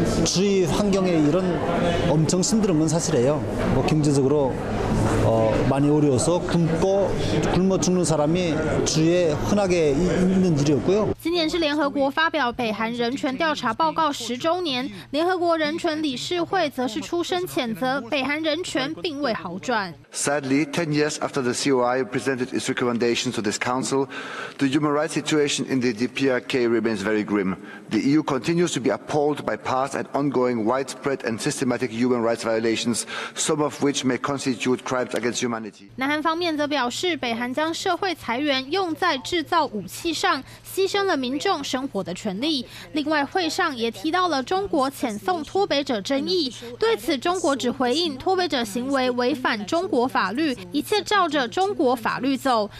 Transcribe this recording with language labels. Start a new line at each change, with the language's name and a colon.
Korean: 주위환경에이런엄청힘들은건사실이에요뭐경제적으로많이어려워서굶어죽는사람이주위에흔하게있는일이었고요
Chinese: 今年是联合国发表北韩人权调查报告10周年，联合国人权理事会则是出声谴责北韩人权并未好转。
English: Sadly, 10 years after the COI presented its recommendations to this council, the human rights situation in the DPRK remains very grim. The EU continues to be appalled by past and ongoing widespread and systematic human rights violations, some of which may constitute crimes against humanity.
Chinese: 南韩方面则表示，北韩将社会裁员用在制造武器上，牺牲了民众生活的权利。另外，会上也提到了中国遣送脱北者争议，对此中国只回应脱北者行为违反中国法律，一切照着中国法律走。